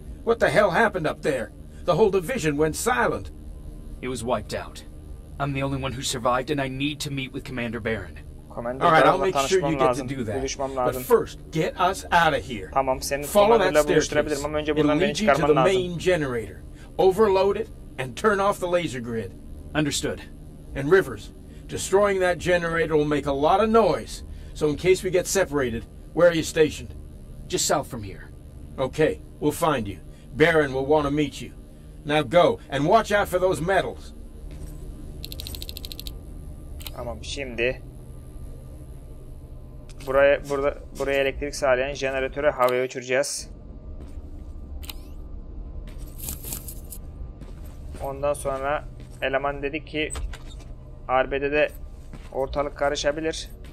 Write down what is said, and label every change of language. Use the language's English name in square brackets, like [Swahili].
[English] What the hell happened up there? The whole division went silent. It was wiped out. I'm the only one who survived and I need to meet with Commander Baron. All right, I'll make sure you get to do that. But first, get us out of here. [Turkish] Tamam, senin komandayla buluşturabilirim ama önce buradan beni çıkarman lazım. [English] The main generator. Overload it and turn off the laser grid. Understood. And Rivers, destroying that generator will make a lot of noise. So in case we get separated, where are you stationed? Just south from here. Okay, we'll find you. Baron will want to meet you. Now go and watch out for those metals. [Turkish] Tamam, şimdi buraya elektrik sağlayan jeneratörü havaya uçuracağız. Ondan sonra eleman dedi ki arbedede ortalık karışabilir.